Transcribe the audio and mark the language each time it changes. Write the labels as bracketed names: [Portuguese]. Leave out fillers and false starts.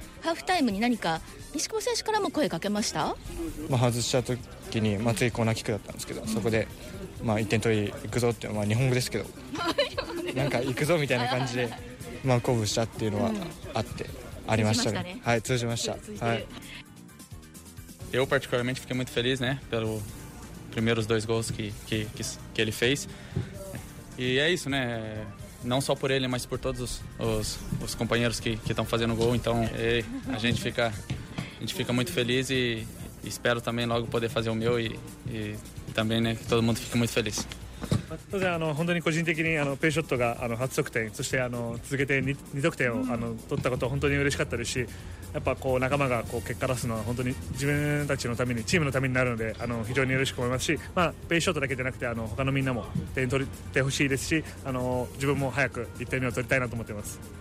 [Japanese] ハーフタイムに何か西久保選手からも声かけました？まあ、外した時に、まあ、次コーナーキックだったんですけど、うん、そこで、まあ、1点取り行くぞっていう、まあ、日本語ですけどなんか行くぞみたいな感じで、まあ、鼓舞したっていうのはあって、うん、ありましたね、はい、通じました。 [Portuguese] Eu particularmente fiquei muito feliz, né, pelos primeiros dois gols que ele fez. E é isso, né? Não só por ele, mas por todos os companheiros que estão fazendo gol. Então, a gente fica muito feliz e espero também logo poder fazer o meu e também, né, que todo mundo fique muito feliz. [Japanese] 当然本当に個人的にペイショットが初得点、そして続けて2得点を取ったことは本当に嬉しかったですし、やっぱこう仲間がこう結果出すのは本当に自分たちのためにチームのためになるので非常に嬉しく思いますし、まあ、ペイショットだけでなくて他のみんなも点取ってほしいですし、自分も早く1点目を取りたいなと思っています。